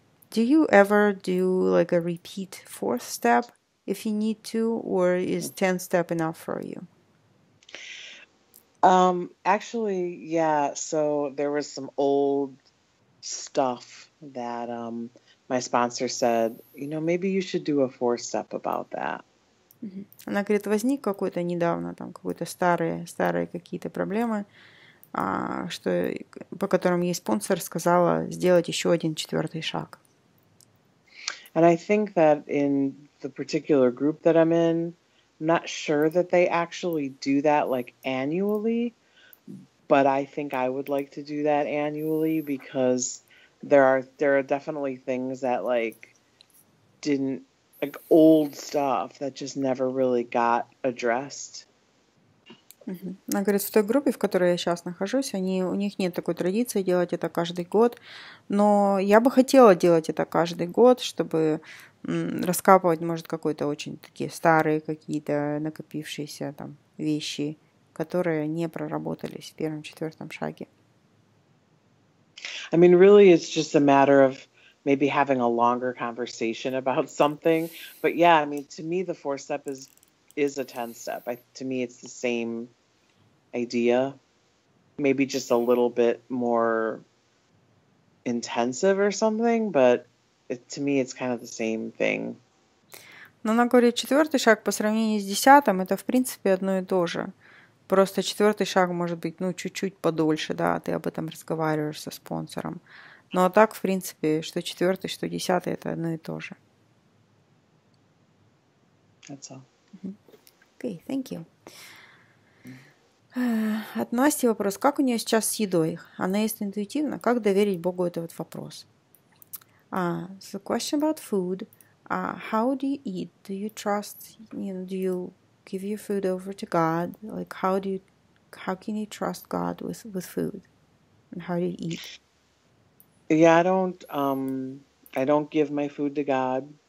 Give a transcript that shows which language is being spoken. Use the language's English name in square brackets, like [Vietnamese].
[English] Do you ever do like a repeat fourth step if you need to, or is 10 step enough for you? Actually, yeah. So there was some old stuff that my sponsor said, you know, maybe you should do a fourth step about that. [Russian] Она говорит, возник какой-то недавно, там какой-то старые какие-то проблемы, что, по которым ей спонсор сказала сделать еще один четвертый шаг. [English] And I think that in the particular group that I'm in, I'm not sure that they actually do that like annually, but I think I would like to do that annually because there are definitely things that like didn't like old stuff that just never really got addressed. [Russian] Она говорит, в той группе, в которой я сейчас нахожусь, у них нет такой традиции делать это каждый год, но я бы хотела делать это каждый год, чтобы раскапывать, может, какой-то очень такие старые какие-то накопившиеся там вещи, которые не проработались в первом-четвертом шаге. [English] I mean, really, it's just a matter of maybe having a longer conversation about something. But yeah, I mean, to me, the fourth step is a 10 step. To me, it's the same idea. Maybe just a little bit more intensive or something, but to me, it's kind of the same thing. [Russian] Но она говорит, четвертый шаг по сравнению с десятым, это в принципе одно и то же. Просто четвертый шаг может быть, ну, чуть-чуть подольше, да, ты об этом разговариваешь со спонсором. Но так, в принципе, что четвертый, что десятый, это одно и то же. [English] That's all. Okay, thank you. [Russian] От Насти вопрос, как у нее сейчас с едой? Она ест интуитивно? Как доверить Богу этот вот вопрос? [English] So question about food. How do you eat? Do you trust, you know, do you give your food over to God? Like, how can you trust God with food? And how do you eat? Yeah, I don't give my food to God.